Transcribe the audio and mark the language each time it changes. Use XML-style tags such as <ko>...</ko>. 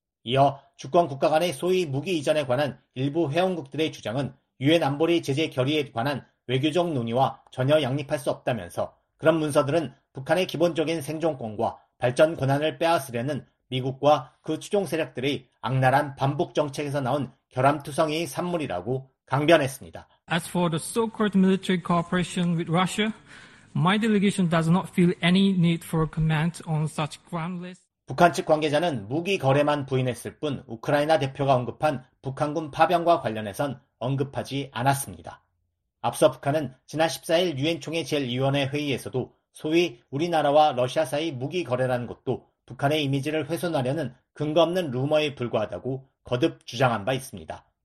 <ko>이어 주권 국가 간의 소위 무기 이전에 관한 일부 회원국들의 주장은 유엔 안보리 제재 결의에 관한 외교적 논의와 전혀 양립할 수 없다면서 그런 문서들은 북한의 기본적인 생존권과 발전 권한을 빼앗으려는 미국과 그 추종 세력들의 악랄한 반북 정책에서 나온 결함투성이의 산물이라고 강변했습니다.</ko> <en>As for the so-called military cooperation with Russia, my delegation does not feel any need for a comment on such groundless.</en> <ko>북한 측 관계자는 무기 거래만 부인했을 뿐 우크라이나 대표가 언급한 북한군 파병과 관련해선 언급하지 않았습니다. 앞서 북한은 지난 14일 유엔총회 제1위원회 회의에서도 소위 우리나라와 러시아 사이 무기 거래라는 것도 북한의 이미지를 훼손하려는 근거 없는 루머에 불과하다고 거듭 주장한 바 있습니다.</ko>